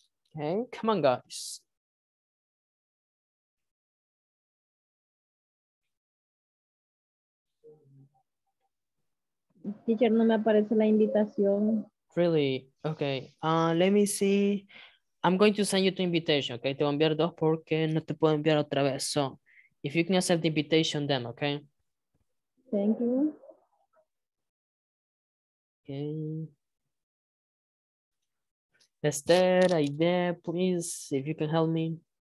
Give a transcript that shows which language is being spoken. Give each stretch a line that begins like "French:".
English: Okay, come on, guys.
Spanish: Teacher, no me aparece la invitación.
English: Really? Okay. Let me see. I'm going to send you the invitation, okay?
Spanish: Te voy a enviar dos porque no te puedo enviar otra vez.
English: So, if you can accept the invitation then, okay? Thank you. Okay. Esther, Aide, please, if you can help me.